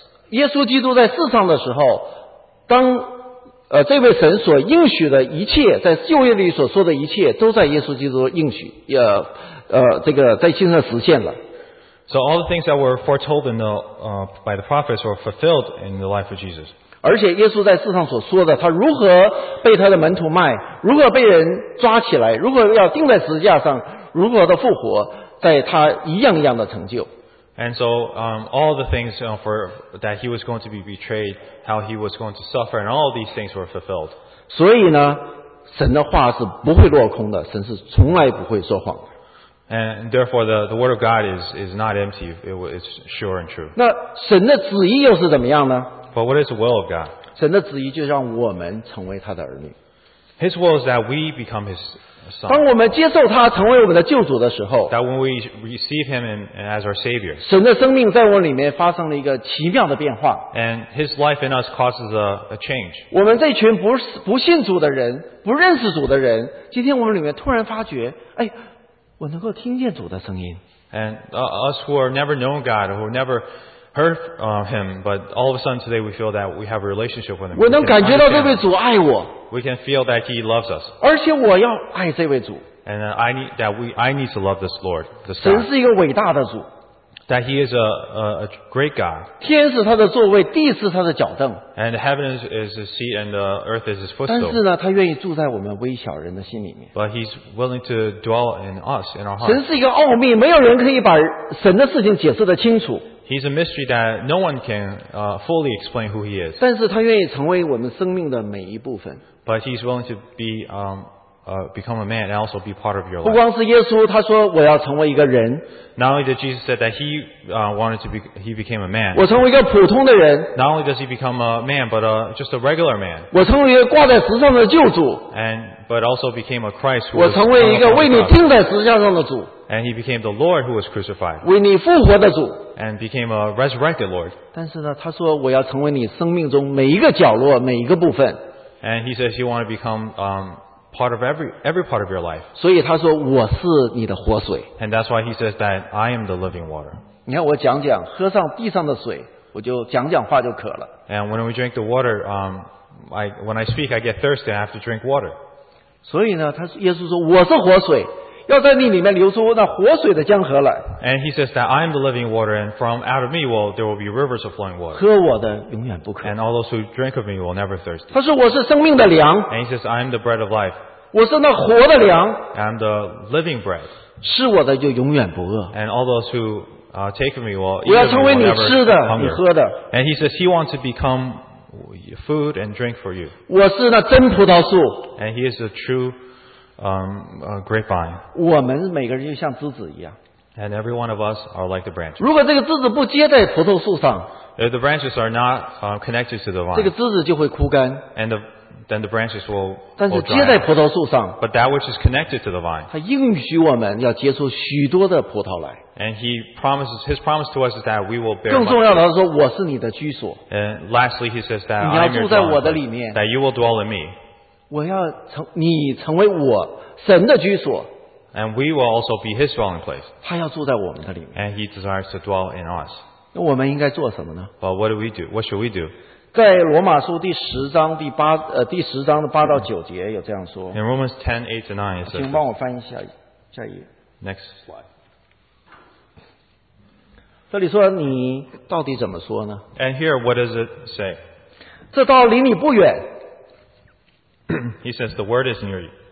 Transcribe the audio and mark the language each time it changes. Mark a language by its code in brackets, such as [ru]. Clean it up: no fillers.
[zh] 第二个，他说这个耶稣基督在世上的时候， 当这位神所应许的一切，在旧约里所说的一切， 都在耶稣基督应许， 这个在经上实现了。 [en] So all the things that were foretold in the by the prophets were fulfilled in the life of Jesus. [zh] 而且耶稣在世上所说的，他如何被他的门徒卖，如何被人抓起来，如何要钉在十字架上，如何的复活，在他一样一样的成就。And [en] so all the things for that he was going to be betrayed, how he was going to suffer, and all these things were fulfilled. [zh] 所以呢，神的话是不会落空的，神是从来不会说谎。 [en] And therefore, the word of God is not empty. It's sure and true. [zh] 那神的旨意又是怎么样呢? [en] But what is the will of God? [zh] 神的旨意就让我们成为他的儿女。 [en] His will is that we become His son. [zh] 当我们接受他成为我们的救主的时候 [en] ，That when we receive Him and as our Savior, [zh] 神的生命在我里面发生了一个奇妙的变化。 [en] And His life in us causes a change. [zh] 我们这群不信主的人，不认识主的人，今天我们里面突然发觉，哎，我能够听见主的声音。 [en] And us who are never known God, who never heard him, but all of a sudden today we feel that we have a relationship with him. [zh] 我能感觉到这位主爱我。 [en] We can feel that he loves us. [zh] 而且我要爱这位主。 [en] And I need to love this Lord, this God. [zh] 神是一个伟大的主。 [en] That he is a great God. [zh] 天是他的座位，地是他的脚凳。 [en] And heaven is his seat, and the earth is his footstool. [zh] 但是呢，他愿意住在我们微小人的心里面。 [en] But he's willing to dwell in us, in our hearts. [zh] 神是一个奥秘，没有人可以把神的事情解释得清楚。 [en] He's a mystery that no one can fully explain who he is. [zh] 但是他愿意成为我们生命的每一部分。 [en] But he's willing to be become a man and also be part of your life. [zh] 不光是耶稣，他说我要成为一个人。 [en] Not only did Jesus say that he became a man. [zh] 我成为一个普通的人。 [en] Not only does he become a man, but just a regular man. [zh] 我成为一个挂在石上的救主。 [en] But also became a Christ. [zh] 我成为一个为你钉在石架上的主。 [en] And he became the Lord who was crucified. [zh] 为你复活的主。 [en] And became a resurrected Lord. [zh] 但是呢，他说我要成为你生命中每一个角落、每一个部分。 [en] And he says he wanted to become part of every part of your life. [zh] 所以他说我是你的活水。 [en] And that's why he says that I am the living water. [zh] 你看我讲讲，喝上地上的水，我就讲讲话就渴了。 [en] And when we drink the water, when I speak, I get thirsty. I have to drink water. [zh] 所以呢，他耶稣说我是活水。要在你里面流出那活水的江河来。 [en] And he says that I am the living water, and from out of me will there will be rivers of flowing water. [zh] 喝我的永远不渴。 [en] And all those who drink of me will never thirst. [zh] 他说我是生命的粮。 [en] And he says I am the bread of life. [zh] 我是那活的粮。 [en] I am the living bread. [zh] 吃我的就永远不饿。 [en] And all those who take of me will never hunger. [zh] 我要成为你吃的，你喝的。 [en] And he says he wants to become food and drink for you. [zh] 我是那真葡萄树。 [en] And he is the true. Grapevine. [zh] 我们每个人就像枝子一样。 [en] And every one of us are like the branch. [zh] 如果这个枝子不接在葡萄树上 [en] ，if the branches are not connected to the vine, [zh] 这个枝子就会枯干。 [en] And then the branches will. [zh] 但是接在葡萄树上 [en] ，but that which is connected to the vine. [zh] 他应许我们要结出许多的葡萄来。 [en] And he promises his promise to us is that we will bear. [zh] 更重要的是说，我是你的居所。 [en] And lastly, he says that [zh] 你要住在我的里面 [en] ，that you will dwell in me. [zh] 我要成你成为我神的居所 [en] ，and we will also be His dwelling place. [zh] 他要住在我们的里面 [en] ，and He desires to dwell in us. [zh] 那我们应该做什么呢 [en] ？But what do we do? What should we do? [zh] 在罗马书第十章第八第十章的八到九节有这样说。 [en] In Romans 10:8-9, it says. [zh] 请帮我翻一下下一页。 [en] Next slide. [zh] 这里说你到底怎么说呢 [en] ？And here, what does it say? [zh] 这道离你不远。 [en] He says the word is near you.